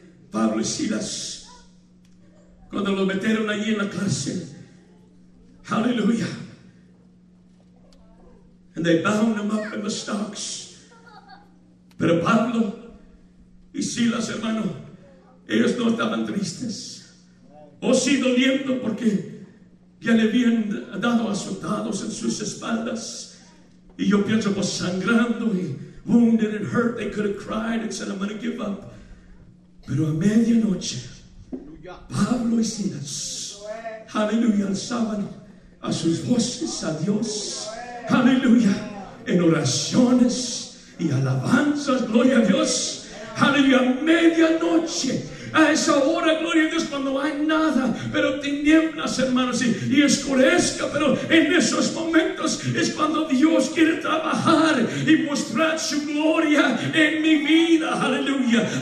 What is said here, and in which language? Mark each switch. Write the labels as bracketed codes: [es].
[es] Pablo y Silas, cuando lo metieron allí en la cárcel, aleluya, [en] and they bound him up in the stocks. [es] Pero Pablo y Silas, hermano, ellos no estaban tristes. O sí doliendo, porque ya le habían dado azotados en sus espaldas. Y yo pienso, pues sangrando y [en] wounded and hurt, they could have cried and said, I'm going to give up. [es] Pero a medianoche, Pablo y Silas, aleluya, alzaban a sus voces a Dios, aleluya, en oraciones y alabanzas, gloria a Dios, aleluya, medianoche, a esa hora, gloria a Dios, cuando hay nada, pero tinieblas, hermanos, y escurezca, pero en esos momentos es cuando Dios quiere trabajar y mostrar su gloria en mi vida, aleluya.